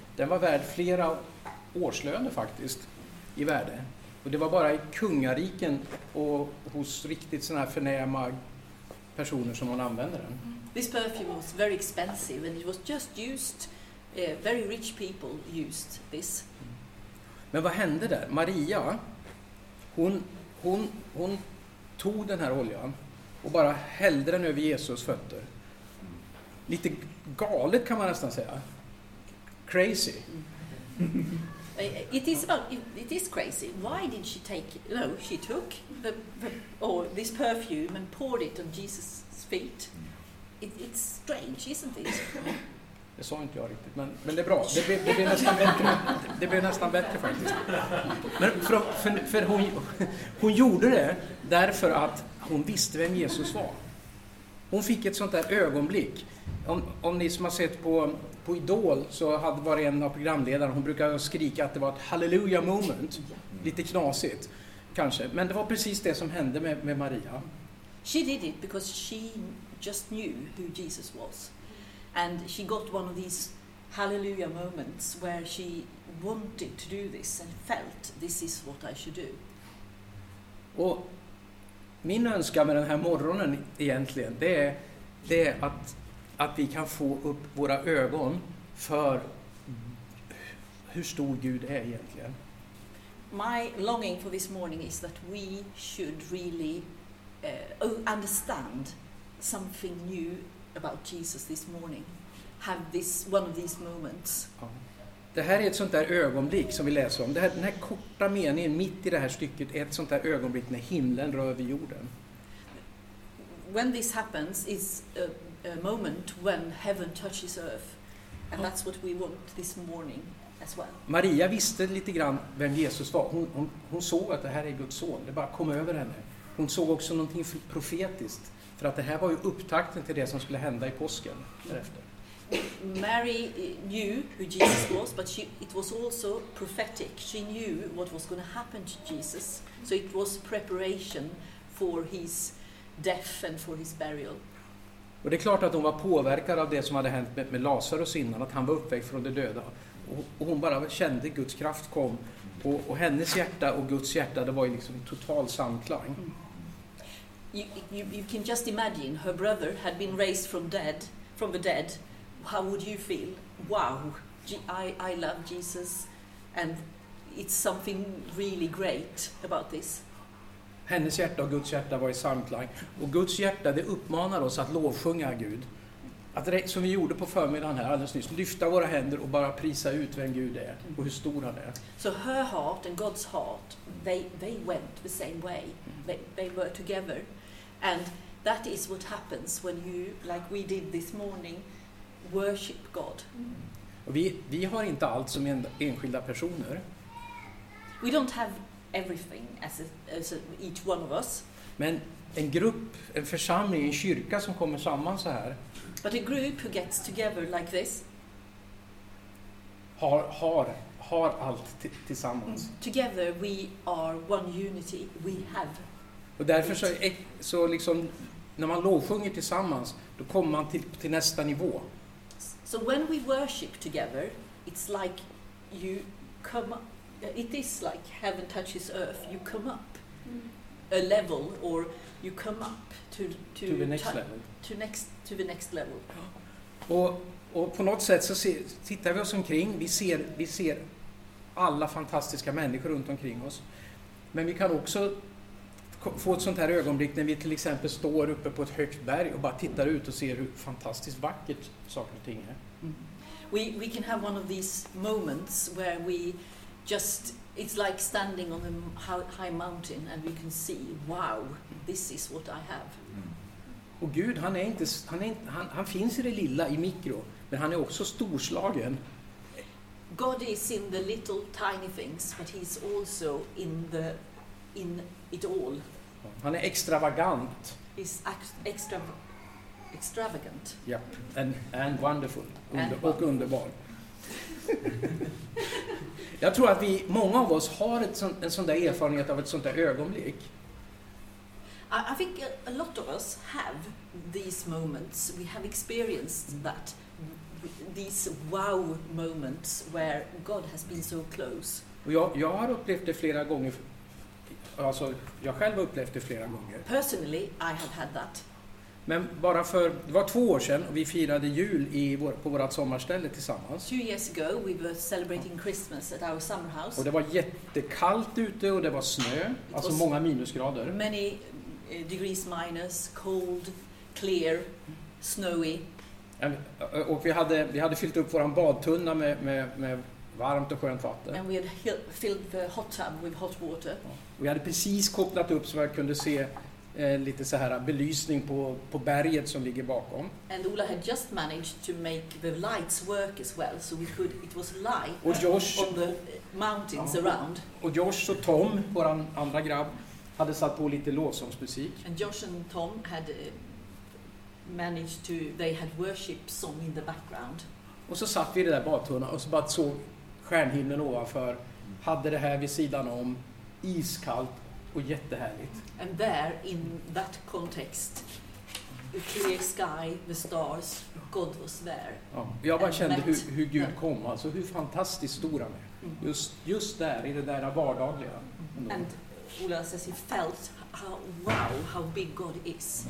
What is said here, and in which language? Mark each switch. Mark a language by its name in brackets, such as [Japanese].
[Swedish] Den var värd flera årslöner faktiskt i värde. Och det var bara i kungariken och hos riktigt såna här förnäma personer som hon använde den. [English] This perfume was very expensive and it was just used, very rich people used this. [Swedish] Men vad hände där? Maria, hon tog den här oljan och bara hällde den över Jesus fötter. Lite galet kan man nästan säga. [English] Crazy. It is crazy. Why did she take it? No, she took this perfume and poured it on Jesus' feet. It's strange, isn't it? [Swedish] Det sa inte jag riktigt, men det är bra. Det blir nästan bättre. Det blir nästan bättre faktiskt. Men för hon gjorde det därför att hon visste vem Jesus var. Hon fick ett sånt där ögonblick. Om ni som har sett på Idol så hade varit en av programledarna. Hon brukade skrika att det var ett hallelujah moment. Lite knasigt kanske. Men det var precis det som hände med Maria. [English] She did it because she just knew who Jesus was. And she got one of these hallelujah moments where she wanted to do this and felt this is what I should do. [Swedish] Och min önskan med den här morgonen egentligen, det är att vi kan få upp våra ögon för hur stor Gud är egentligen. [English] My longing for this morning is that we should really understand something new about Jesus this morning, have this one of these moments. [Swedish] Det här är ett sånt där ögonblick som vi läser om. Den här korta meningen mitt i det här stycket är ett sånt där ögonblick när himlen rör över jorden. [English] When this happens is a moment when heaven touches earth, and that's what we want this morning as well. [Swedish] Maria visste lite grann vem Jesus var. Hon såg att det här är Guds son. Det bara kom över henne. Hon såg också någonting profetiskt. För att det här var ju upptakten till det som skulle hända i påsken därefter. [English] Mary knew who Jesus was, but it was also prophetic. She knew what was going to happen to Jesus. So it was preparation for his death and for his burial. [Swedish] Och det är klart att hon var påverkad av det som hade hänt med Lazarus innan, att han var uppväckt från de döda. Och hon bara kände Guds kraft kom. Och hennes hjärta och Guds hjärta, det var ju liksom total samklang. Mm. [English] You can just imagine her brother had been raised from the dead. How would you feel? Wow, I love Jesus, and it's something really great about this. [Swedish] Hennes hjärta och Guds hjärta var i samklang, och Guds hjärta, det uppmanar oss att lovsjunga Gud, att som vi gjorde på förmiddagen här alldeles nyss, lyfta våra händer och bara prisa ut vem Gud är och hur stor han är. [English] So her heart and God's heart, they went the same way. They were together. And that is what happens when you, like we did this morning, worship God. Mm. [Swedish] Vi har inte allt som enskilda personer. [English] We don't have everything as each one of us. [Swedish] Men en grupp, en församling, en kyrka som kommer samman så här. [English] But a group who gets together like this. [Swedish] Har allt tillsammans. Mm. [English] Together we are one unity. We have. [Swedish] Och därför så liksom när man lovsjunger tillsammans, då kommer man till nästa nivå. [English] So when we worship together, it's like you come it is like heaven touches earth. You come up a level, or you come up to the next level. To the next level. [Swedish] Och på något sätt så tittar vi oss omkring. Vi ser alla fantastiska människor runt omkring oss. Men vi kan också få ett sånt här ögonblick när vi till exempel står uppe på ett högt berg och bara tittar ut och ser hur fantastiskt vackert saker och ting är. [English] We can have one of these moments where we just, it's like standing on a high mountain and we can see, wow, this is what I have. [Swedish] Och Gud, han finns i det lilla, i mikro, men han är också storslagen. [English] God is in the little tiny things, but he's also in it all. [Swedish] Han är extravagant. [English] He's extravagant. Yep, and wonderful. [Swedish] Och underbar. Jag tror att många av oss har en sån där erfarenhet av ett sånt där ögonblick. [English] I think a lot of us have these moments. We have experienced that. These wow moments where God has been so close. [Swedish] Jag har upplevt det flera gånger. Alltså, jag själv har upplevt det flera gånger. [English] Personally, I have had that. [Swedish] Men bara för, det var 2 år sedan och vi firade jul på vårt sommarställe tillsammans. [English] 2 years ago we were celebrating Christmas at our summer house. [Swedish] Och det var jättekallt ute och det var snö. Alltså många minusgrader. [English] Many degrees minus, cold, clear, snowy. [Swedish] Och vi hade fyllt upp våran badtunna med varmt och skönt vatten. [English] And we had filled the hot tub with hot water. [Swedish] Vi hade precis kopplat upp så jag kunde se lite så här belysning på berget som ligger bakom. [English] And Ola had just managed to make the lights work as well, so we could, it was light. [Swedish] Och Josh, [English] on the mountains around. [Swedish] Och Josh och Tom, våran andra grabb, hade satt på lite lovsångsmusik. [English] And Josh and Tom had managed to, they had worship song in the background. [Swedish] Och så satt vi i det där badtunna och så bara såg stjärnhimlen ovanför, hade det här vid sidan om, iskallt och jättehärligt. [English] And there in that context, the clear sky, the stars, God was there. [Swedish] Ja, jag bara kände hur Gud kom, alltså hur fantastiskt stor han är. Just där i det där vardagliga. [English] And Ola says he felt how big God is.